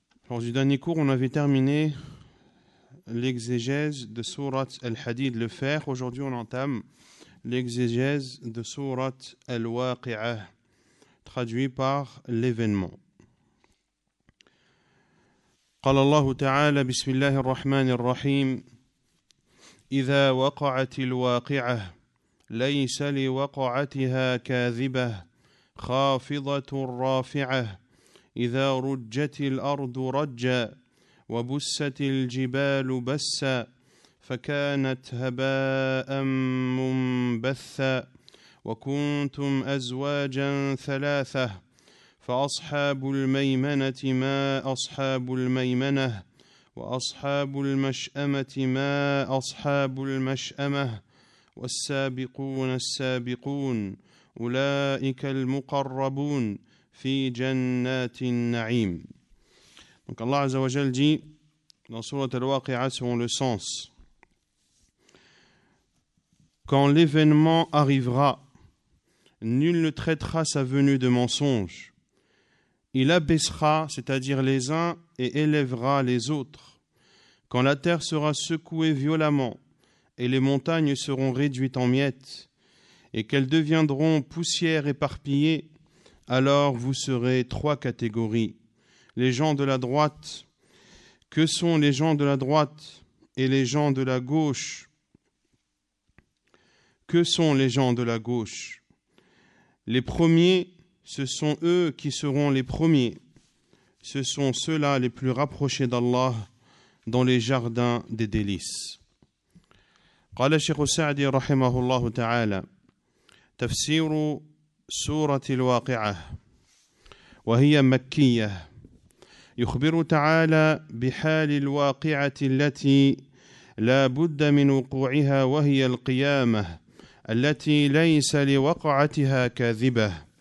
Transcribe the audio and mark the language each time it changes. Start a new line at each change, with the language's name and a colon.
French: Lors du dernier cours, on avait terminé l'exégèse de Sourate al-Hadid, le fer. Aujourd'hui, on entame l'exégèse de Sourate al-Waqi'ah, traduit par l'événement.
Arabic: قال الله تعالى بسم الله الرحمن الرحيم إذا وقعت الواقعة ليس لوقعتها كاذبة خافضة رافعة إذا رجت الأرض رجا وبست الجبال بسا فكانت هباء منبثا وكنتم أزواجا ثلاثة فأصحاب الميمنة ما أصحاب الميمنة وأصحاب المشأمة ما أصحاب المشأمة والسابقون السابقون أولئك المقربون في جنات النعيم.
French: Donc Allah عز وجل dit dans sourate Al-Waqi'ah selon le sens: quand l'événement arrivera, nul ne traitera sa venue de mensonge. Il abaissera, c'est-à-dire les uns, et élèvera les autres. Quand la terre sera secouée violemment, et les montagnes seront réduites en miettes, et qu'elles deviendront poussière éparpillée, alors vous serez trois catégories. Les gens de la droite, que sont les gens de la droite et les gens de la gauche? Que sont les gens de la gauche? Les premiers, ce sont eux qui seront les premiers. Ce sont ceux-là les plus rapprochés d'Allah dans les jardins des délices.
Arabic: قال الشيخ السعدي رحمه الله تعالى تفسير سورة الواقعة وهي مكية يخبر تعالى بحال الواقعة التي لا بد من وقوعها وهي القيامة التي ليس لوقعتها كاذبة